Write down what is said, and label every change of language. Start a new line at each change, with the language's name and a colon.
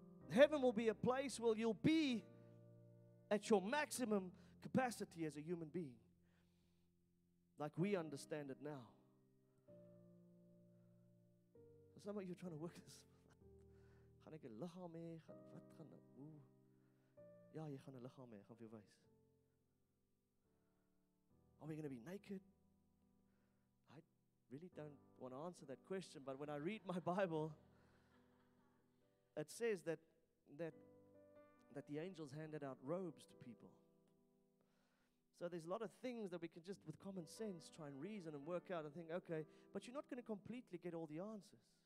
English: Heaven will be a place where you'll be at your maximum capacity as a human being, like we understand it now. Some of you are trying to work this.
Afrikaans: Gaan ek 'n liggaam hê? Wat gaan nou? Ja, jy gaan 'n liggaam hê, gaan vir jou wys.
English: Are we going to be naked? I really don't want to answer that question, but when I read my Bible, it says that the angels handed out robes to people. So there's a lot of things that we can just, with common sense, try and reason and work out and think, okay, but you're not going to completely get all the answers.